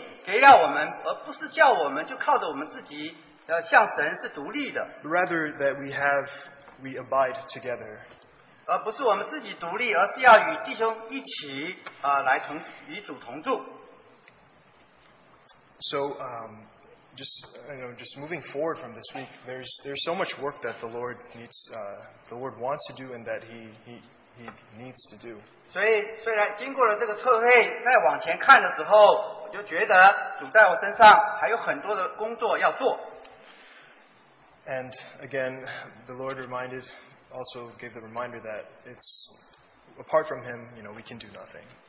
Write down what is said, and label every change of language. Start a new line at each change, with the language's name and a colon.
Chinese: 所以的确就提醒我们，主把他自己的生命给了我们，而不是叫我们就靠着我们自己。向神是独立的,
English: rather that we abide together.
Chinese: 而不是我们自己独立, 而是要与弟兄一起, 来同, 与主同住。
English: So just moving forward from this week, there's so much work that the Lord wants to do and that he needs to do.
Chinese: 所以虽然经过了这个特会，再往前看的时候，我就觉得主在我身上还有很多的工作要做。
English: And again, the Lord reminded, also gave the reminder that it's apart from Him, you know, we can do nothing.